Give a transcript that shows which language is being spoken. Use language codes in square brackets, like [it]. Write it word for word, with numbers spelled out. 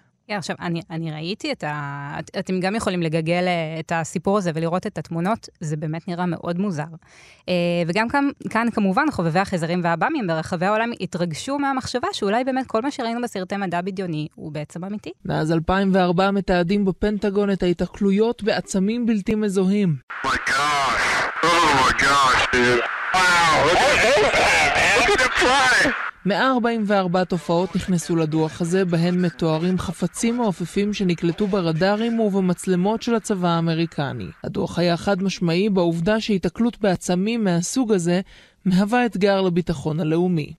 [he] Yeah, עכשיו, אני, אני ראיתי את ה... את, אתם גם יכולים לגגל את הסיפור הזה ולראות את התמונות, זה באמת נראה מאוד מוזר. אה, וגם כאן, כאן כמובן חובבי החייזרים והאב"מים ברחבי העולם התרגשו מהמחשבה שאולי באמת כל מה שראינו בסרטי מדע בדיוני הוא בעצם אמיתי. מאז אלפיים וארבע מתעדים בפנטגון את ההתאכלויות בעצמים בלתי מזוהים. [en] Oh my gosh, oh my gosh, dude. Wow, look at the fly. [he] מאה ארבעים וארבע תופעות נכנסו לדוח הזה, בהן מתוארים חפצים מעופפים שנקלטו ברדארים ובמצלמות של הצבא האמריקני. הדוח היה חד משמעי בעובדה שהתקלות בעצמים מהסוג הזה מהווה אתגר לביטחון הלאומי.